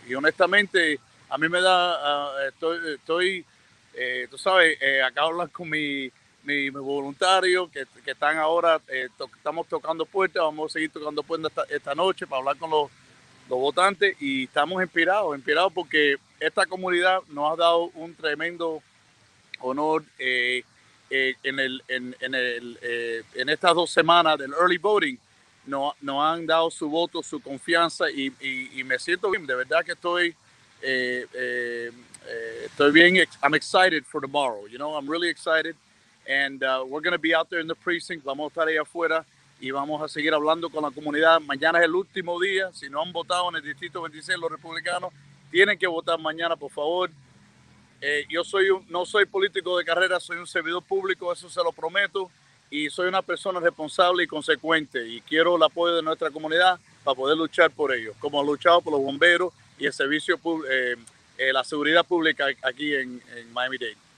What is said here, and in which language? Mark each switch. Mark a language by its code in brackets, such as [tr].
[es] Y honestamente, a mí me da, tú sabes, acabo de hablar con mi voluntario que están ahora, estamos tocando puertas, vamos a seguir tocando puertas esta noche para hablar con los votantes y estamos inspirados porque esta comunidad nos ha dado un tremendo honor en estas dos semanas del early voting. No han dado su voto, su confianza y me siento bien. De verdad que estoy bien. [en] I'm excited for tomorrow. You know, I'm really excited. And we're going to be out there in the precinct. [es] Vamos a estar ahí afuera y vamos a seguir hablando con la comunidad. Mañana es el último día. Si no han votado en el Distrito 26, los republicanos tienen que votar mañana, por favor. Yo no soy político de carrera, soy un servidor público. Eso se lo prometo. Y soy una persona responsable y consecuente y quiero el apoyo de nuestra comunidad para poder luchar por ellos, como he luchado por los bomberos y el servicio la seguridad pública aquí en Miami-Dade.